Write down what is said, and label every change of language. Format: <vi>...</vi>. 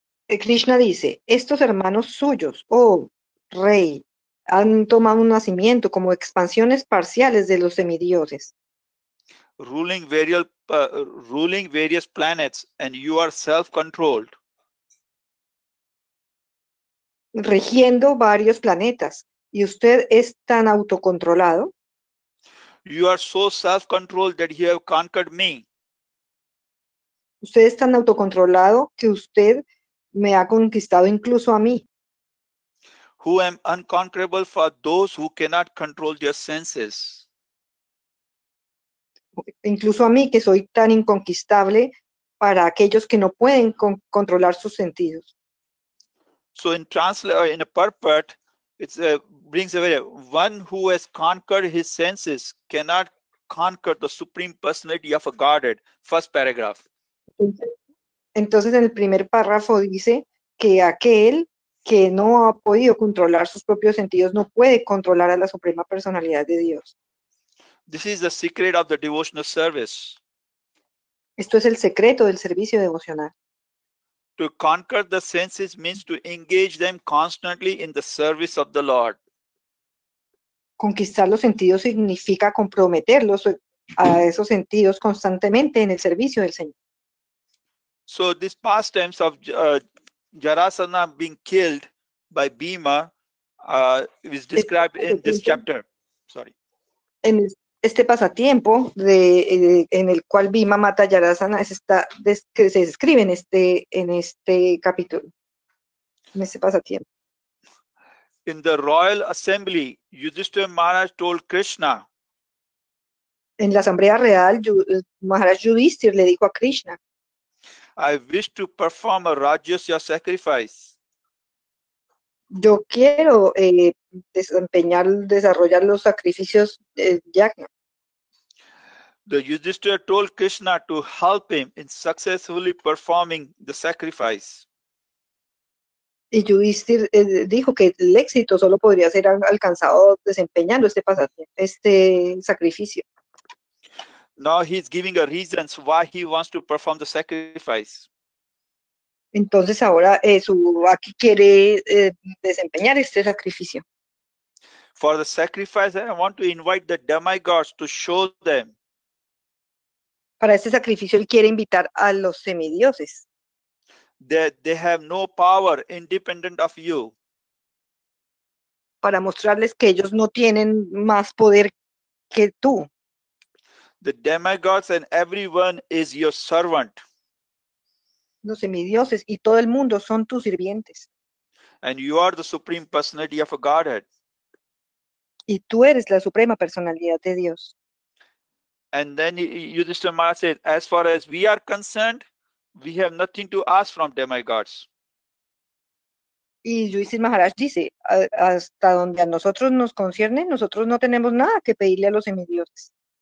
<es>Krishna dice, estos hermanos suyos, oh rey, han tomado un nacimiento como expansiones parciales de los semidioses.</es> <en>Ruling various planets, and you are self-controlled.</en> <es>Regiendo varios planetas, y usted es tan autocontrolado.</es> <en>You are so self-controlled that you have conquered me.</en> <es>Usted es tan autocontrolado que usted me ha conquistado incluso a mí.</es> <en>who am unconquerable for those who cannot control their senses.</en> <es>Incluso a mí, que soy tan inconquistable para aquellos que no pueden controlar sus sentidos.</es> <en>So in translation, in a purport, it brings a very, one who has conquered his senses cannot conquer the supreme personality of a Godhead. First paragraph.</en> <es>Entonces, en el primer párrafo dice que aquel que no ha podido controlar sus propios sentidos no puede controlar a la suprema personalidad de Dios.</es> <en>This is the secret of the devotional service.</en> <es>Esto es el secreto del servicio devocional.</es> <en>To conquer the senses means to engage them constantly in the service of the Lord.</en> <es>Conquistar los sentidos significa comprometerlos a esos sentidos constantemente en el servicio del Señor.</es> <en>So these pastimes of Jarasandha being killed by Bhima is described in this chapter. Sorry.</en> <es>En este pasatiempo en el cual Bhima mata a Jarasandha se describe en este capítulo, en este pasatiempo.</es> <en>In the royal assembly, Yudhishthira Maharaj told Krishna.</en> <es>En la asamblea real, Maharaj Yudhishthira le dijo a Krishna.</es> <en>I wish to perform a rajasya sacrifice.</en> <es>Yo quiero desarrollar los sacrificios de yagna.</es> <en>The Yudhishthira told Krishna to help him in successfully performing the sacrifice.</en> <es>Y Yudhishthira dijo que el éxito solo podría ser alcanzado desempeñando este pasatiempo, este sacrificio.</es> <en>Now he's giving a reasons why he wants to perform the sacrifice.</en> <es>Entonces ahora aquí quiere desempeñar este sacrificio.</es> <en>For the sacrifice, I want to invite the demigods to show them.</en> <es>Para este sacrificio él quiere invitar a los semidioses.</es> <en>That they have no power independent of you.</en> <es>Para mostrarles que ellos no tienen más poder que tú.</es> <en>The demigods and everyone is your servant.</en> <es>Los semidioses y todo el mundo son tus sirvientes.</es> <en>And you are the supreme personality of a Godhead.</en> <es>Y tú eres la suprema personalidad de Dios.</es> <en>And then Yudhishthira Maharaj said, as far as we are concerned, we have nothing to ask from demigods.</en> <es>Y Yudhishthira Maharaj dice, hasta donde a nosotros nos concierne, nosotros no tenemos nada que pedirle a los semidioses.</es>